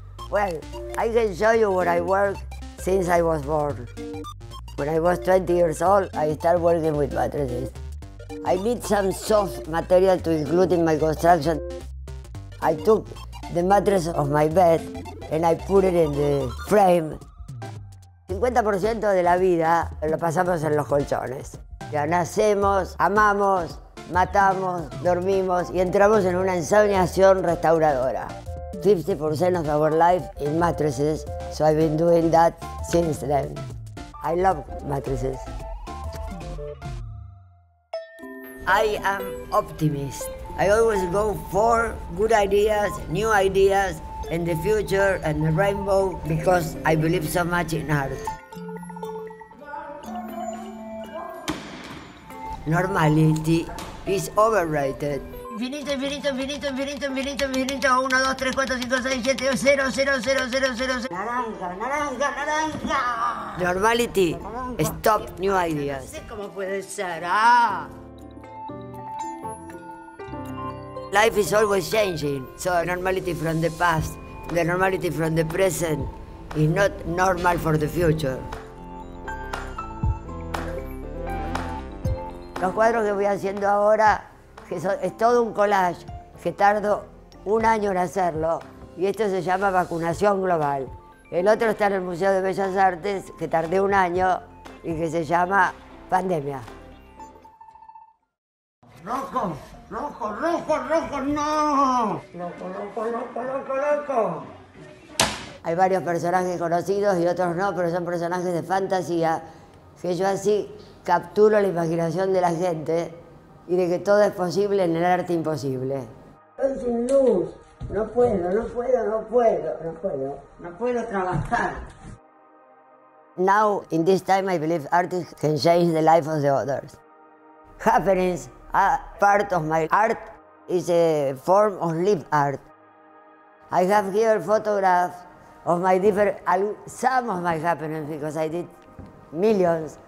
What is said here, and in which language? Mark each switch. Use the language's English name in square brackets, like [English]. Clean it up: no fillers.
[English] Well, I can show you where I work since I was born. When I was 20 years old, I started working with mattresses. I need some soft material to include in my construction. I took the mattress of my bed and I put it in the frame. [Spanish] 50% de la vida lo pasamos en los colchones. Ya nacemos, amamos, matamos, dormimos y entramos en una ensoñación restauradora. [English] 50% of our life in mattresses, so I've been doing that since then. I love mattresses. I am optimist. I always go for good ideas, new ideas, and the future and the rainbow because I believe so much in art. Normality is overrated. [Spanish] Infinito, infinito, infinito, infinito, infinito, infinito. 1, 2, 3, 4, 5, 6, 7, 0, 0, 0, 0, 0, 0. Naranja, naranja, naranja. [English] Normality, naranja. Stop new ideas. [Spanish] No sé cómo puede ser, ah. [English] Life is always changing, so normality from the past, the normality from the present, is not normal for the future. [Spanish] Los cuadros que voy haciendo ahora, que son, es todo un collage, que tardo un año en hacerlo, y esto se llama Vacunación Global. El otro está en el Museo de Bellas Artes, que tardé un año, y que se llama Pandemia. ¡Loco! ¡Loco, loco, loco, no! ¡Loco, loco, loco, loco, loco! Hay varios personajes conocidos y otros no, pero son personajes de fantasía que yo así capturo la imaginación de la gente y de que todo es posible en el arte imposible. Estoy sin luz. No puedo, no puedo, no puedo, no puedo. No puedo trabajar. [English] Now, in this time, I believe artists can change the life of the others. Happenings. Part of my art is a form of live art. I have here photographs of my different, some of my happenings because I did millions.